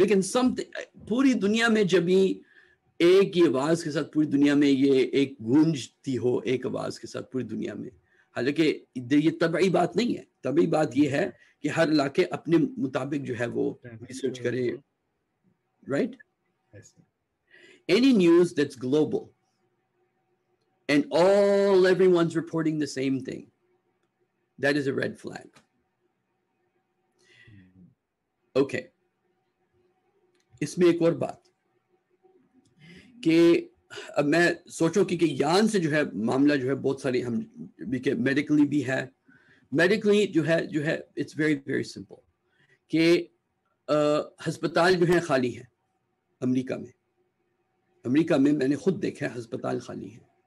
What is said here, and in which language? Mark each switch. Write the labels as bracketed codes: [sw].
[ur] لیکن some thing, پوری دنیا میں جب ہی ایک ہی آواز کے ساتھ پوری دنیا میں یہ ایک گونجتی ہو, ایک آواز کے ساتھ پوری دنیا میں, حالانکہ یہ طبعی بات نہیں ہے, طبعی بات یہ ہے کہ ہر علاقے اپنے مطابق جو ہے وہ ریسرچ کرے, right. [en] Any news that's global and all every ones reporting the same thing, that is a red flag. [ur] Okay, اس میں ایک اور بات کہ اب میں سوچوں کہ یان سے جو ہے معاملہ جو ہے بہت ساری ہم میڈیکلی بھی ہے, میڈیکلی جو ہے [en] it's very very simple [ur] کہ ہسپتال جو ہیں خالی ہیں امریکہ میں, امریکہ میں میں نے خود دیکھا ہے ہسپتال خالی ہیں.